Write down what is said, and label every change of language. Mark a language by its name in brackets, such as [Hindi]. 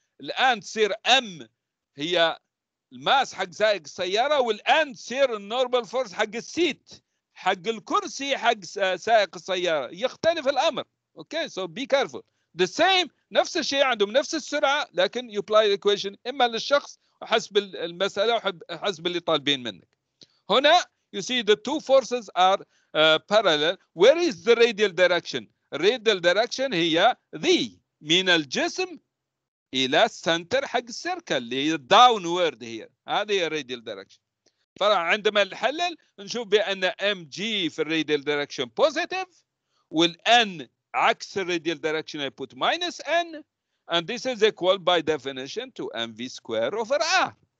[Arabic] الآن تصير أم هي الماس حق سائق السيارة, والآن تصير النورمال فورس حق السيت, حق الكرسي حق سائق السيارة. يختلف الأمر. [English] Okay, so be careful. The same, [Arabic] نفس الشيء عندهم نفس السرعة, لكن [English] you apply the equation [Arabic] إما للشخص حسب المسألة وحسب اللي طالبين منك. هنا [English] you see the two forces are parallel. Where is the radial direction? [Arabic] Radial direction هي the من الجسم إلى center حق السيركل اللي [English] downward here. [Arabic] هذه هي radial direction. فعندما نحلل نشوف بأن MG في الراديال ديركشن بوزيتيف, والN عكس الراديال ديركشن [English] I put minus N, and this is equal by definition to MV square over R.